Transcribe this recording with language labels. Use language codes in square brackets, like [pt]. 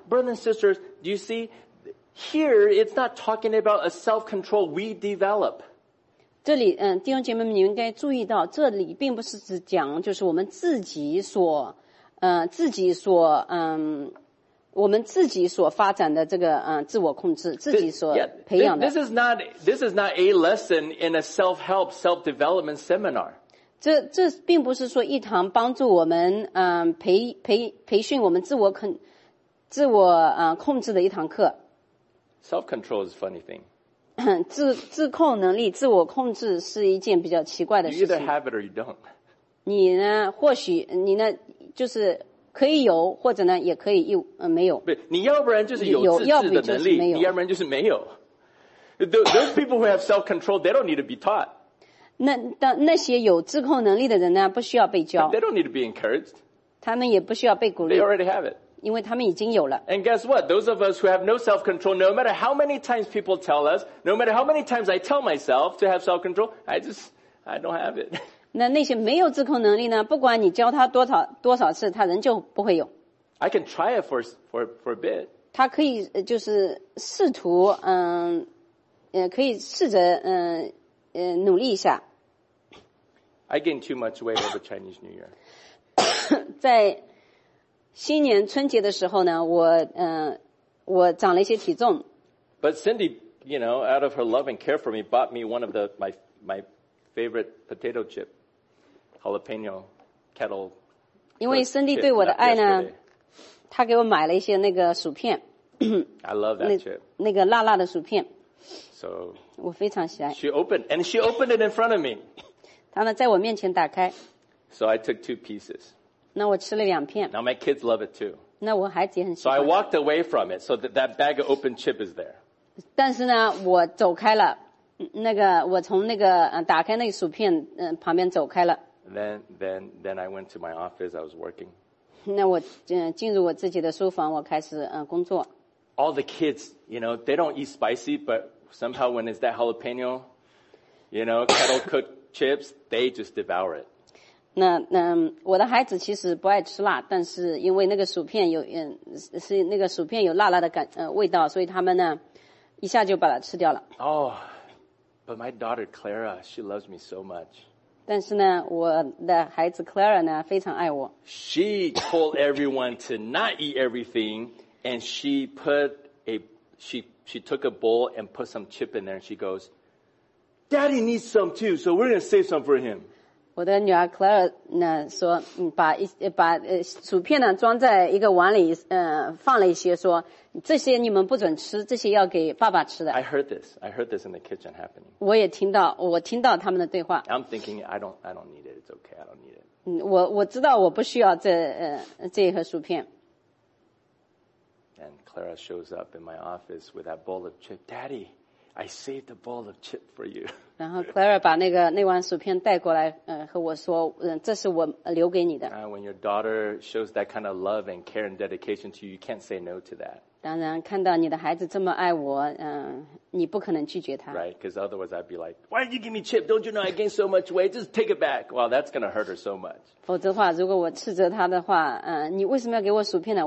[en] Brothers and sisters, do you see? Here, it's not talking about a self-control we develop. [zh] 这里弟兄姐妹们你应该注意到这里并不是只讲就是我们自己所我们自己所发展的这个自我控制自己所培养的。 [en] This is not a lesson in a self-help, self-development seminar. [zh] 这并不是说一堂帮助我们培训我们自我控制的一堂课。 [en] Self-control is a funny thing. [zh] 自控能力自我控制是一件比较奇怪的事情。 [en] You either have it or you don't. [zh] 你呢或许你呢就是可以有或者呢也可以没有。你要不然就是有自制的能力你要不然就是没有。 [en] Those people who have self-control, they don't need to be taught. [zh] 那些有自控能力的人呢不需要被教。 [en] But、they don't need to be encouraged. [zh] 他们也不需要被鼓励。 [en] They already have it. [zh] 因为他们已经有了。 [en] And guess what? Those of us who have no self-control, no matter how many times people tell us, no matter how many times I tell myself to have self-control, I don't have it. [zh] 那些没有自控能力呢不管你教他多少次他仍旧不会有。 [en] I can try it for a bit. [zh] 他可以就是试图可以试着努力一下。 [en] I gained too much weight over Chinese New Year. [zh] 在新年春节的时候呢，我长了一些体重。 [en] But Cindy, you know, out of her love and care for me, bought me one of my favorite potato chip, jalapeno kettle [zh] 因为Cindy对我的爱呢，他给我买了一些那个薯片。 [en] I love that chip. [zh] 那个辣辣的薯片。 [en] So. [zh] 我非常喜爱。 [en] She opened it in front of me. [zh] 他呢，在我面前打开。 [en] So I took two pieces. [zh] 那我吃了两片。 [en] Now my kids love it too. [zh] 那我孩子也很喜欢。 [en] So I walked away from it, so that bag of open chip is there. [zh] 但是呢，我走开了。那个，我从那个打开那个薯片旁边走开了。 [en] Then I went to my office. I was working. [zh] 那我进入我自己的书房，我开始工作。 [en] All the kids, you know, they don't eat spicy, but somehow when it's that jalapeno, you know, kettle cooked chips, they just devour it. [zh] 那我的孩子其实不爱吃辣，但是因为那个薯片有是那个薯片有辣辣的感味道，所以他们呢一下就把它吃掉了。 [en] Oh, but my daughter Clara, she loves me so much. [zh] 但是呢，我的孩子 Clara 呢非常爱我。 [en] She told everyone to not eat everything, and she put a she took a bowl and put some chip in there. And she goes, "Daddy needs some too, so we're going to save some for him." [zh] 我的女儿 Clara 呢说，把薯片呢装在一个碗里，放了一些，说这些你们不准吃，这些要给爸爸吃的。 [en] I heard this in the kitchen happening. [zh] 我也听到，我听到他们的对话。 [en] I'm thinking I don't need it. It's okay. I don't need it. [zh] 我知道我不需要这一盒薯片。 [en] And Clara shows up in my office with that bowl of chip. Daddy, I saved a bowl of chip for you. [zh] 然后 Clara 把那碗薯片带过来，和我说，这是我留给你的。 [en] When your daughter shows that kind of love and care and dedication to you, you can't say no to that. [zh] 当然，看到你的孩子这么爱我，你不可能拒绝他。 [en] Right, because otherwise I'd be like, "Why did you give me chip? Don't you know I gained so much weight? Just take it back." Well, that's going to hurt her so much. [zh] 否则的话，如果我斥责她的话，你为什么要给我薯片呢？